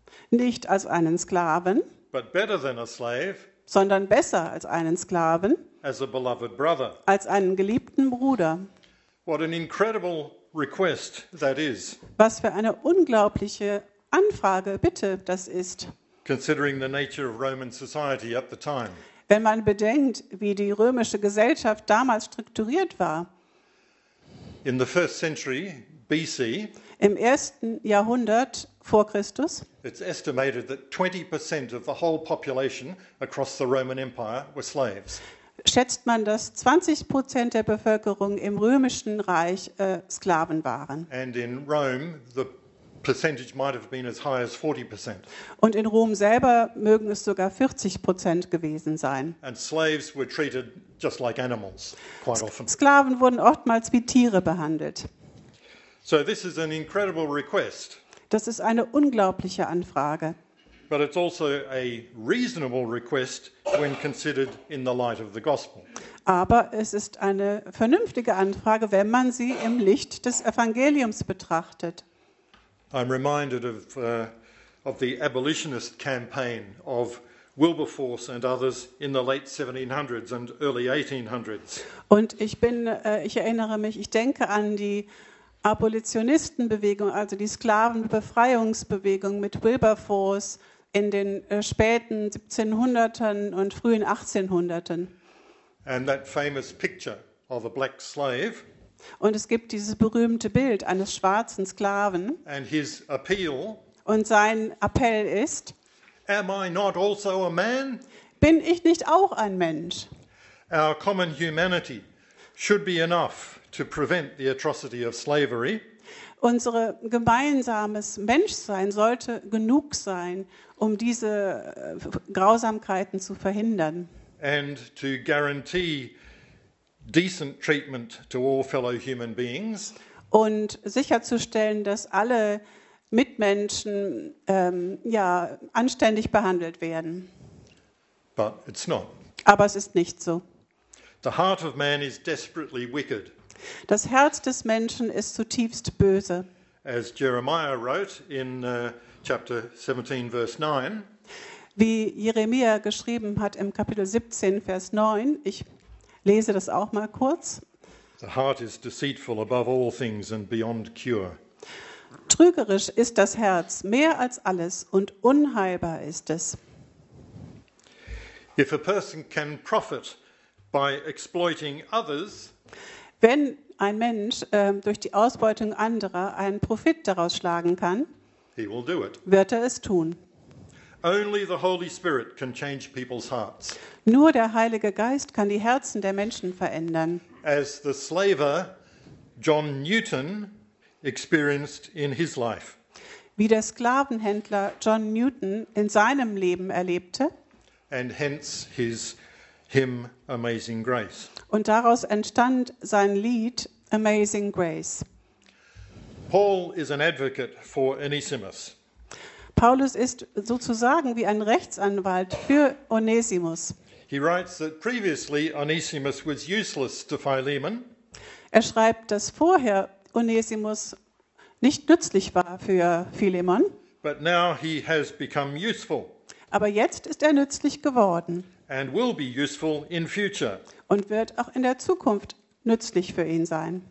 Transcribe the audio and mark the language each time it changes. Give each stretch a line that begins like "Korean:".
German: nicht als einen Sklaven,
English: but better than a slave,
German: sondern besser als einen Sklaven,
English: as a beloved brother,
German: als einen geliebten Bruder.
English: What an incredible request that is.
German: Was für eine unglaubliche Anfrage, Bitte, das ist.
English: Considering the nature of Roman society at the time.
German: Wenn man bedenkt, wie die römische Gesellschaft damals strukturiert war.
English: In the first century BC,
German: im ersten Jahrhundert vor Christus,
English: it's estimated that 20% of the whole population across the Roman Empire were slaves.
German: Schätzt man, dass 20% der Bevölkerung im römischen Reich Sklaven waren.
English: And in Rome the percentage might have been as high as 40%.
German: Und in Rom selber mögen es sogar 40% gewesen sein.
English: And slaves were treated just like animals quite often.
German: Sklaven wurden oftmals wie Tiere behandelt.
English: So this is an incredible request.
German: Das ist eine unglaubliche Anfrage.
English: But it's also a reasonable request when considered in the light of the gospel.
German: Aber es ist eine vernünftige Anfrage, wenn man sie im Licht des Evangeliums betrachtet.
English: I'm reminded of the abolitionist campaign of Wilberforce and others in the late 1700s and early 1800s.
German: Und ich denke an die Abolitionistenbewegung, also die Sklavenbefreiungsbewegung mit Wilberforce in den späten 1700ern und frühen 1800ern.
English: And that famous picture of a black slave.
German: Und es gibt dieses berühmte Bild eines schwarzen Sklaven.
English: And his appeal,
German: und sein Appell ist:
English: Am I not also a man?
German: Bin ich nicht auch ein Mensch?
English: Our common humanity should be enough to prevent the atrocity of slavery.
German: Unser gemeinsames Menschsein sollte genug sein, um diese Grausamkeiten zu verhindern.
English: And to guarantee decent treatment to all fellow human beings.
German: Und sicherzustellen, dass alle Mitmenschen anständig behandelt werden.
English: But it's not.
German: Aber es ist nicht so.
English: The heart of man is desperately wicked.
German: Das Herz des Menschen ist zutiefst böse.
English: As Jeremiah wrote in chapter 17 verse 9.
German: Wie Jeremia geschrieben hat im Kapitel 17 Vers 9, ich lese das auch mal kurz.
English: The heart is deceitful above all things and beyond cure.
German: Trügerisch ist das Herz mehr als alles und unheilbar ist es.
English: If a person can profit by exploiting others,
German: wenn ein Mensch durch die Ausbeutung anderer einen Profit daraus schlagen kann,
English: he will do it.
German: Wird er es tun.
English: Only the Holy Spirit can change people's hearts.
German: Nur der Heilige Geist kann die Herzen der Menschen verändern.
English: as the slaver John Newton experienced in his life.
German: Wie der Sklavenhändler John Newton in seinem Leben erlebte.
English: And hence his hymn Amazing Grace.
German: Und daraus entstand sein Lied Amazing Grace.
English: Paul is an advocate for Onesimus.
German: Paulus ist sozusagen wie ein Rechtsanwalt für Onesimus.
English: He writes that previously Onesimus was useless to Philemon.
German: Er schreibt, dass vorher Onesimus nicht nützlich war für Philemon.
English: But now he has become useful.
German: Aber jetzt ist er nützlich geworden.
English: And will be useful in future.
German: Und wird auch in der Zukunft nützlich für ihn sein.